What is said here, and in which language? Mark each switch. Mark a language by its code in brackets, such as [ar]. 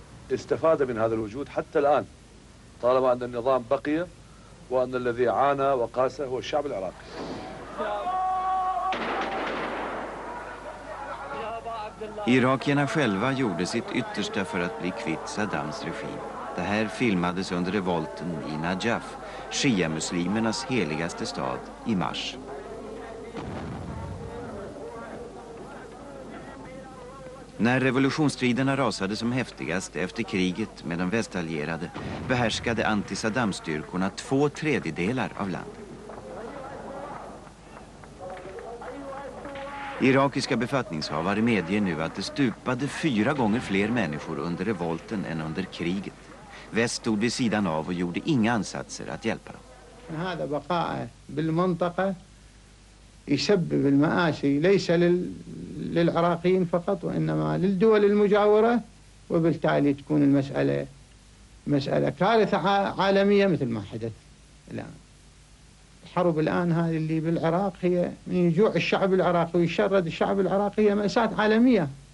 [ar] استفاد من هذا الوجود حتى الآن طالما أن النظام بقي وأن الذي عانى وقاسه هو الشعب العراقي. [sv] Irakierna själva gjorde sitt yttersta för att bli kvitt Saddams regim. Det här filmades under revolten i Najaf, shia-muslimernas heligaste stad, i mars. När revolutionsstriderna rasade som häftigast efter kriget med de västallierade behärskade anti-Saddam-styrkorna 2/3 av landet. Irakiska befattningshavare medger nu att det stupade 4 gånger fler människor under revolten än under kriget. Väst stod vid sidan av och gjorde inga ansatser att hjälpa dem. [ar] يسبب المآسي ليس للعراقيين فقط وإنما للدول المجاورة وبالتالي تكون المسألة مسألة كارثة عالمية مثل ما حدث الآن الحرب الآن هذه اللي بالعراق هي من يجوع الشعب العراقي ويشرد الشعب العراقي مأساة عالمية.